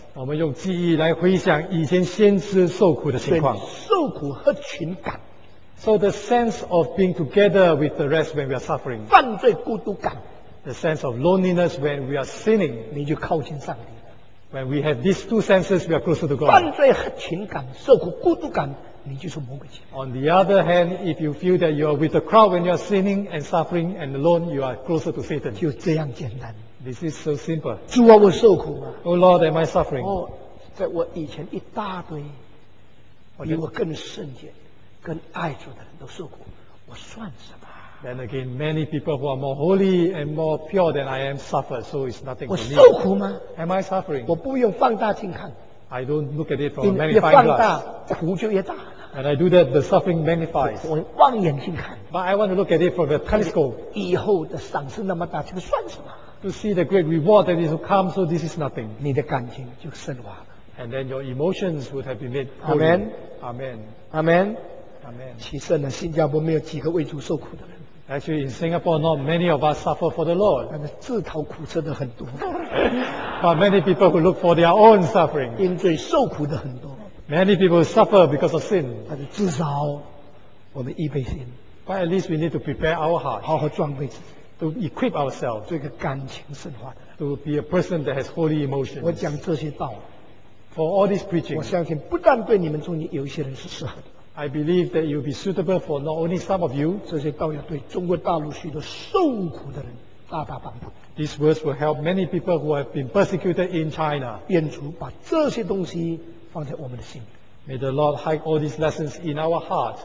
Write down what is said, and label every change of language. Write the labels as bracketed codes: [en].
[zh] 我们用记忆来回想以前先知受苦的情况。受苦合群感。 [en] So the sense of being together with the rest when we are suffering. [zh] 犯罪孤独感。 [en] The sense of loneliness when we are sinning. [zh] 你就靠近上帝。 [en] When we have these two senses, we are closer to God. [zh] 犯罪合群感，受苦孤独感。你就是魔鬼。 [en] On the other hand, if you feel that you are with the crowd when you are sinning and suffering and alone, you are closer to Satan. [zh] 就这样简单。 [en] This is so simple. [zh] 主啊，我受苦吗 [en] ？Oh Lord, am I suffering? [zh] 哦，在我以前一大堆比我更圣洁、更爱主的人都受苦，我算什么 [en] ？Then again, many people who are more holy and more pure than I am suffer, so it's nothing for me. [zh] 我受苦吗 [en] ？Am I suffering? [zh] 我不用放大镜看。 [en] I don't look at it from a magnifying glass. [zh] 越放大，苦就越大。 [en] And I do that, the suffering magnifies. [zh] 我望眼睛看。 [en] But I want to look at it from a telescope. [zh] 以后的赏赐那么大，这个算什么？ [en] To see the great reward that is to come, so this is nothing. [zh] 你的感情就升华了。 [en] And then your emotions would have been made holy. Amen. Amen. Amen. Amen. [zh] 其实呢，新加坡没有几个为主受苦的人。 [en] Actually, in Singapore, not many of us suffer for the Lord. [zh] 但是自讨苦吃的很多。 [en] But many people who look for their own suffering. [zh] 因罪受苦的很多。 [en] Many people suffer because of sin. [zh] 但是至少我们预备心。 [en] But at least we need to prepare our heart. [zh] 好好装备自己。 [en] To equip ourselves. [zh] 做一个感情圣化的人。 [en] To be a person that has holy emotions. [zh] 我讲这些道。 [en] For all this preaching. [zh] 我相信不但对你们中间有一些人是适合的。 [en] I believe that it will be suitable for not only some of you. [zh] 这些道要对中国大陆许多受苦的人大大帮助。 [en] These words will help many people who have been persecuted in China. [zh] 愿主把这些东西放在我们的心。 [en] May the Lord hide all these lessons in our hearts.